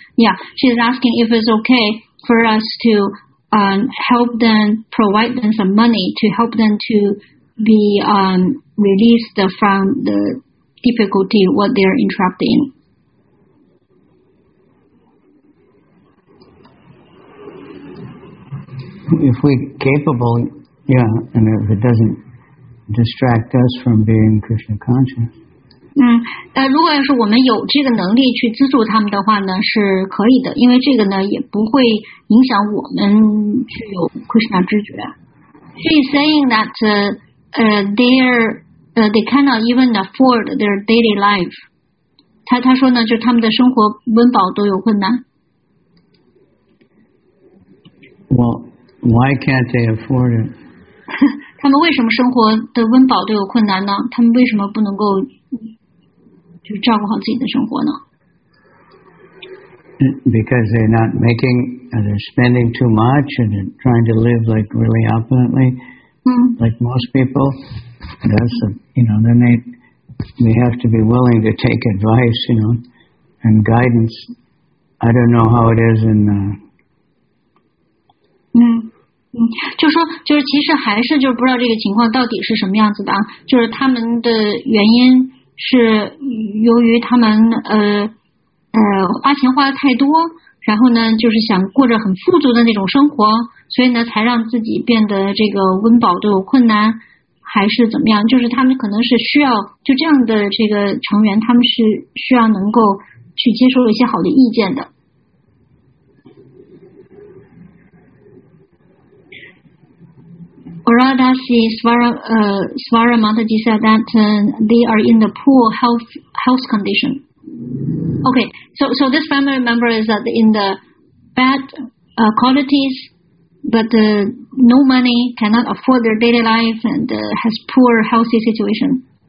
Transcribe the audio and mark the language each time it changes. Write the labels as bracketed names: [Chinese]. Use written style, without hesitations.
[English] Yeah, she's asking if it's okay for us to help them, provide them some money to help them to be released from the difficulty what they're entrapped in. If we're capable, yeah, and if it doesn't distract us from being Krishna conscious. [Chinese] 如果要是我们有这个能力去资助他们的话呢，是可以的，因为这个呢也不会影响我们具有 Krishna 知觉。 [English] She's saying that they cannot even afford their daily life. [Chinese] 他说呢，就他们的生活温饱都有困难。 [English] Well. Why can't they afford it? [Chinese] 他们为什么生活的温饱都有困难呢？他们为什么不能够就照顾好自己的生活呢？ [English] Because they're not making, they're spending too much and trying to live like really opulently, like most people. That's a, you know, then they have to be willing to take advice, you know, and guidance. I don't know how it is in. [Chinese] 就说就是其实还是就不知道这个情况到底是什么样子的啊，就是他们的原因是由于他们花钱花的太多，然后呢就是想过着很富足的那种生活，所以呢才让自己变得这个温饱都有困难，还是怎么样，就是他们可能是需要就这样的这个成员，他们是需要能够去接受一些好的意见的。 [English] Varadasi Swara Mataji said that they are in the poor health condition. Okay, so this family member is that in the bad qualities, but no money, cannot afford their daily life, and has poor healthy situation.